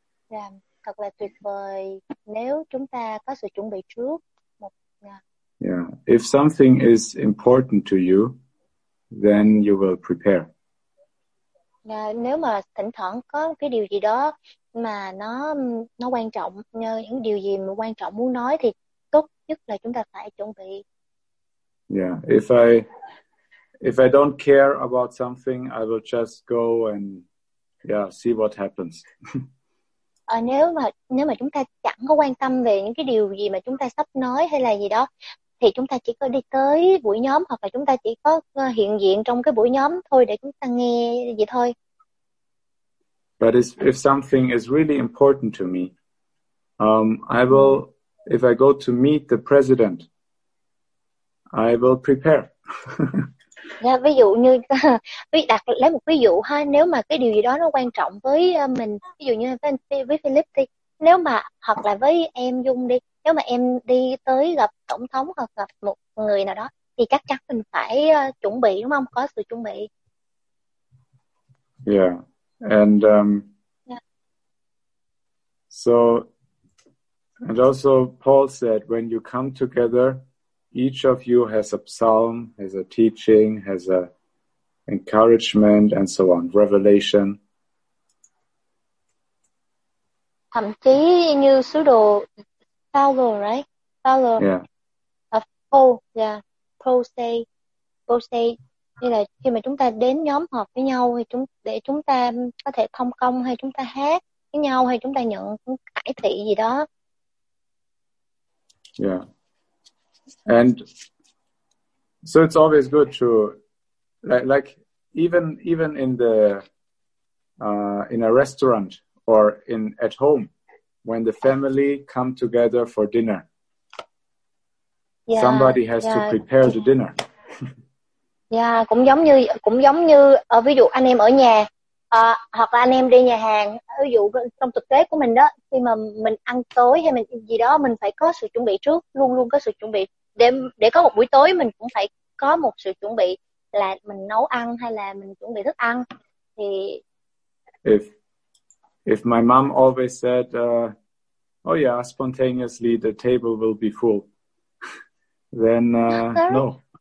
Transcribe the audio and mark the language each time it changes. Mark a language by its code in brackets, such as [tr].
[vi] Yeah, thật là tuyệt vời nếu chúng ta có sự chuẩn bị trước. [en] Yeah, if something is important to you, then you will prepare. [vi] Nếu mà thỉnh thoảng có cái điều gì đó mà nó quan trọng, những điều gì mà quan trọng muốn nói, thì tốt nhất là chúng ta phải chuẩn bị. [en] Yeah, if I don't care about something, I will just go and see what happens. [vi] nếu mà chúng ta chẳng có quan tâm về những cái điều gì mà chúng ta sắp nói hay là gì đó, thì chúng ta chỉ có đi tới buổi nhóm, hoặc là chúng ta chỉ có hiện diện trong cái buổi nhóm thôi để chúng ta nghe gì thôi. [en] But if something is really important to me, if I go to meet the president, I will prepare. [vi] lấy một ví dụ ha, nếu mà cái điều gì đó nó quan trọng với mình, ví dụ như với Philip đi, nếu mà hoặc là với em Dung đi, nếu mà em đi tới gặp tổng thống hoặc gặp một người nào đó, thì chắc chắn mình phải chuẩn bị, đúng không? Có sự chuẩn bị. [en] Yeah, and so and also Paul said, when you come together, each of you has a psalm, has a teaching, has a encouragement, and so on, revelation. [vi] Thậm chí như sứ đồ Paulo, [en] right? [vi] Paulo. [en] Yeah. Paul say, [vi] như là khi mà chúng ta đến nhóm họp với nhau, thì chúng ta có thể thông công, hay chúng ta hát với nhau, hay chúng ta nhận cải thị gì đó. [en] Yeah. And so it's always good to like even in the in a restaurant or in at home, when the family come together for dinner, somebody has to prepare the dinner. [vi] Yeah, cũng giống như ở ví dụ anh em ở nhà hoặc là anh em đi nhà hàng, ví dụ trong thực tế của mình đó, khi mà mình ăn tối hay mình gì đó, mình phải có sự chuẩn bị trước, luôn luôn có sự chuẩn bị. Để có một buổi tối, mình cũng phải có một sự chuẩn bị, là mình nấu ăn hay là mình chuẩn bị thức ăn. Thì [en] if my mom always said spontaneously the table will be full, then no.